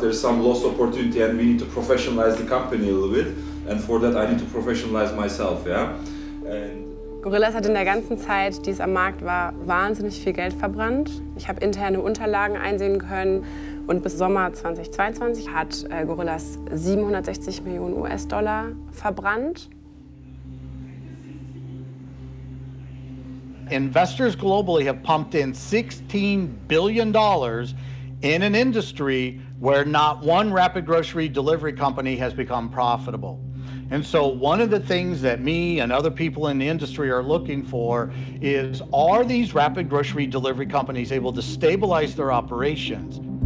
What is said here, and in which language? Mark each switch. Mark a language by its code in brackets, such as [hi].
[en] There's some lost opportunity and we need to professionalize the company a little bit. And for that I need to professionalize myself, yeah? [de] Gorillas hat in der ganzen Zeit, die es am Markt war, wahnsinnig viel Geld verbrannt. Ich habe interne Unterlagen einsehen können und bis Sommer 2022 hat Gorillas 760 Millionen US-Dollar verbrannt. [en] Investors globally have pumped in $16 billion in an industry where not one rapid grocery delivery company has become profitable. And so one of the things that me and other people in the industry are looking for is, are these rapid grocery delivery companies able to stabilize their operations?